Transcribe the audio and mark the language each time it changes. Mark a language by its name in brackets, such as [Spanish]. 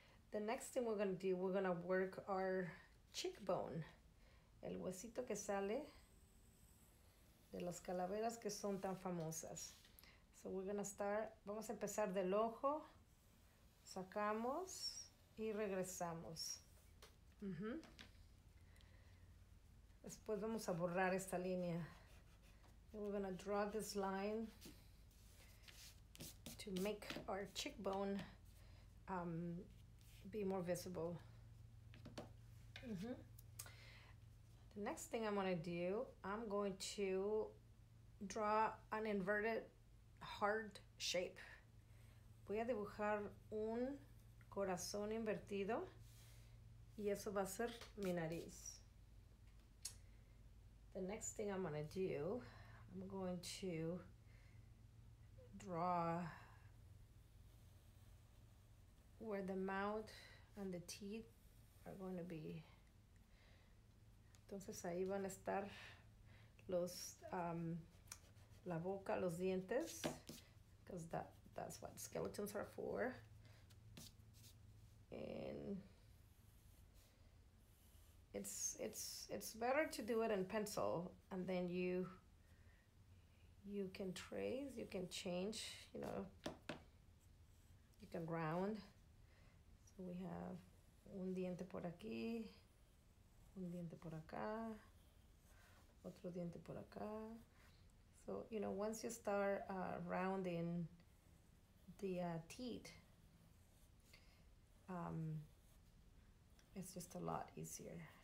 [English] The next thing we're gonna do, we're gonna work our cheekbone. [Spanish] El huesito que sale de las calaveras que son tan famosas. [English] So we're gonna start, [Spanish] vamos a empezar del ojo. Sacamos y regresamos. Después vamos a borrar esta línea. [English] And we're gonna draw this line to make our cheekbone be more visible. The next thing I'm gonna do, I'm going to draw an inverted heart shape. [Spanish] Voy a dibujar un corazón invertido y eso va a ser mi nariz. [English] The next thing I'm gonna do, I'm going to draw where the mouth and the teeth are gonna be. [Spanish] Entonces ahí van a estar los la boca, los dientes, [English] because that's what skeletons are for. And it's better to do it in pencil, and then you can trace, you can change, you know, you can round. So we have [Spanish] un diente por aquí, un diente por acá, otro diente por acá. [English] So, you know, once you start rounding the teeth, it's just a lot easier.